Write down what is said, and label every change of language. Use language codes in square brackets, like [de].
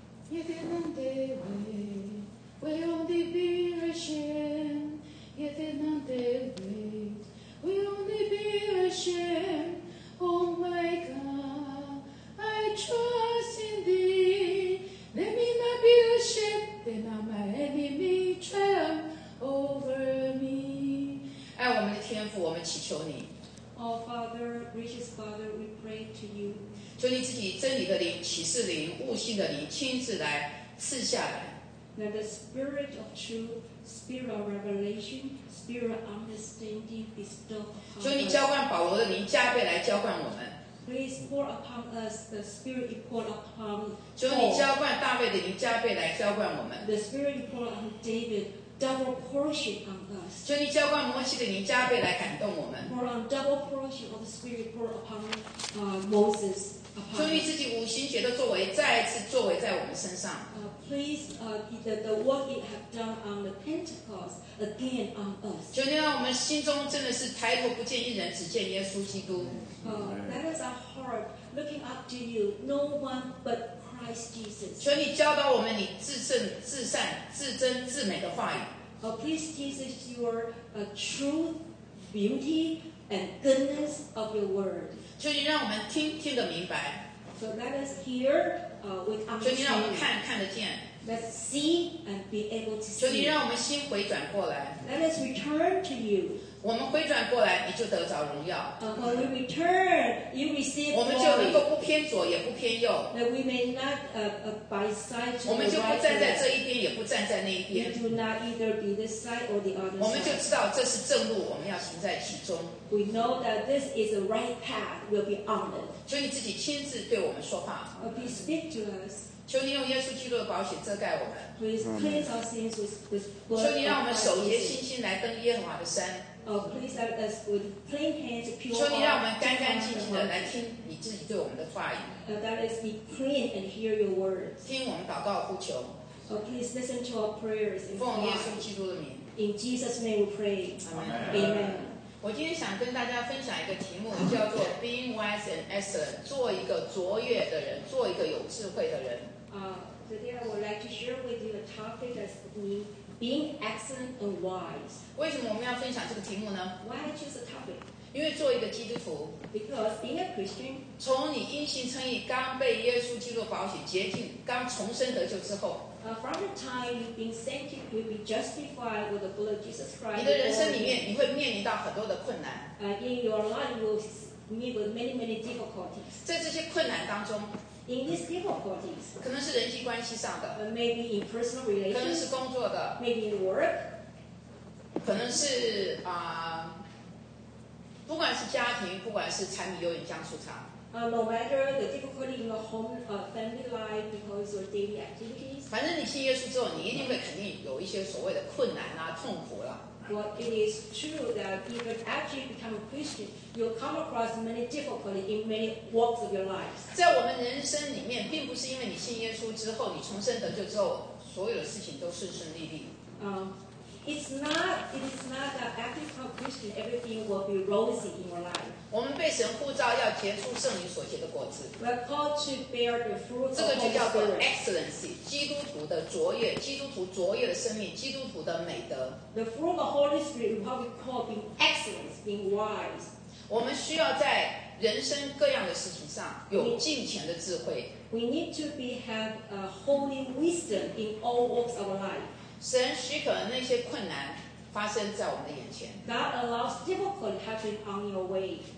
[en] 夜天难得为，为用的比热线。夜天难得为，为用的比热线。 Oh my God, I trust in thee. Let me not be ashamed, let not my enemy triumph over me. [zh] 爱我们的天父，我们祈求你。 [en] Oh, Father, gracious Father, we pray to you. [zh] 求你自己真理的灵、启示灵、悟性的灵亲自来赐下来。 [en] Let the Spirit of truth, Spirit of revelation, Spirit of understanding bestow upon us. [zh] 求你浇灌保罗的灵，加倍来浇灌我们。 [en] Please pour upon us the Spirit you pour upon Paul. [zh] 求你浇灌大卫的灵，加倍来浇灌我们。 [en] The Spirit you pour on David. Double portion on us. [zh] 求你浇灌摩西的灵，加倍来感动我们。 [en] Pour on double portion of the Spirit pour upon Moses. [zh] 求你自己五行血的作为，再一次作为在我们身上。 [en] Please, the work you have done on the Pentecost again on us. [zh] 求你让我们心中真的是抬头不见一人，只见耶稣基督。 [en] That is our heart looking up to you, no one but Christ Jesus. [zh] 求求你教导我们你至圣、至善、至真、至美的话语。 [en] Oh, please teach us your truth, beauty, and goodness of your word. [zh] 求你让我们听听得明白。 [en] So let us hear with understanding. [zh] 求你让我们看看得见。 [en] Let's see and be able to see. [zh] 求你让我们心回转过来。 [en] Let us return to you. [zh] 我们回转过来，你就得着荣耀。 [en] When we return, you receive glory. [zh] 我们就能够不偏左，也不偏右。 [en] That we may not by side. [zh] 我们就不站在这一边，也不站在那一边。 [en] You do not either be this side or the other side. [zh] 我们就知道这是正路，我们要行在其中。 [en] We know that this is the right path. We'll be on it. [zh] 求你自己亲自对我们说话。 [en] Please speak to us. [zh] 求你用耶稣基督的宝血遮盖我们。 [en] Please cleanse our sins with this blood. [zh] 求你让我们守节信心来登耶和华的山。 [en] Oh, please help us with clean hands, pure. [zh] 求你让我们干干净净的来听你自己对我们的话语。 [en] Let us be clean and hear your words. [zh] 听我们祷告呼求。 [en] Oh, please listen to our prayers. [zh] 奉耶稣基督的名。 [en] In Jesus' name, we pray. Amen. Amen. [zh] 我今天想跟大家分享一个题目，叫做 [en] Being wise and excellent. [zh] 做一个卓越的人，做一个有智慧的人。 [en] Today I would like to share with you a topic that's being excellent and wise. [zh] 为什么我们要分享这个题目呢？ [en] Why I choose a topic? [zh] 因为做一个基督徒。 [en] Because being a Christian. [zh] 从你因信称义，刚被耶稣基督宝血洁净，刚重生得救之后。 [en] From the time you've been sanctified, you'll be justified with the blood of Jesus Christ. [zh] 你的人生里面，你会面临到很多的困难。 [en] In your life, you will meet with many, many difficulties. [zh] 在这些困难当中。 [en] In these difficulties, [zh] 可能是人际关系上的 [en] maybe in personal relations, [zh] 可能是工作的 [en] maybe in work, [zh] 可能是、不管是家庭不管是柴米油盐酱醋茶 [en] no matter the difficulty in your home family life because your daily activities [zh] 反正你信耶稣之后你一定会肯定有一些所谓的困难啊痛苦了、啊 [en] Well, it is true that even after you become a Christian, you'll come across many difficulties in many walks of your life. [zh] 在我们人生里面，并不是因为你信耶稣之后，你重生得救之后，所有的事情都顺顺利利。 [en] It's not that after you become a Christian, everything will be rosy in your life. [zh] 我们被神呼召要结出圣灵所结的果子。 [en] We're called to bear the fruit of the Holy Spirit. [zh] 这个就叫做 excellency, 基督徒的卓越，基督徒卓越的生命，基督徒的美德。 [en] The fruit of the Holy Spirit is what we call being excellent, being wise. [zh] 我们需要在人生各样的事情上有敬虔的智慧。 [en] We need to have a holy wisdom in all walks of life. [zh] 神许可那些困难发生在我们的眼前。 [en] God allows difficulty happen on your way.